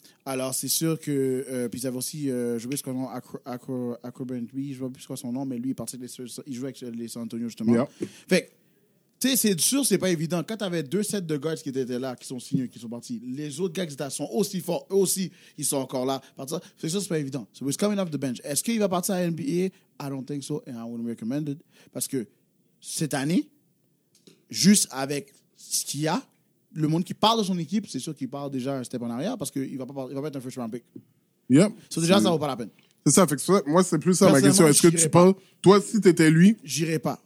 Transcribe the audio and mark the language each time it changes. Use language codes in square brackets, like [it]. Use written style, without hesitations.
[fr] Alors, c'est sûr que. Puis, ils avaient aussi. Mais lui, il est parti avec les. Il joue avec les San Antonio, justement. [en] Yeah. [fr] Fait que, tu sais, c'est sûr, c'est pas évident. Quand tu avais deux sets de guards qui étaient là, qui sont signés, qui sont partis, les autres gars qui étaient là sont aussi forts, eux aussi, ils sont encore là. C'est sûr, c'est pas évident. [en] So he's coming off the bench. [fr] Est-ce qu'il va partir à la NBA? [en] I don't think so, and I wouldn't recommend it. [fr] Parce que cette année, juste avec ce qu'il y a, le monde qui parle de son équipe, c'est sûr qu'il parle déjà un step en arrière parce qu'il va pas être un first round pick. [en] Yep. [fr] So déjà, ça vaut pas la peine. C'est ça, fait que moi, c'est plus ça ma question. Est-ce que tu penses, toi, si tu étais lui, j'irais pas.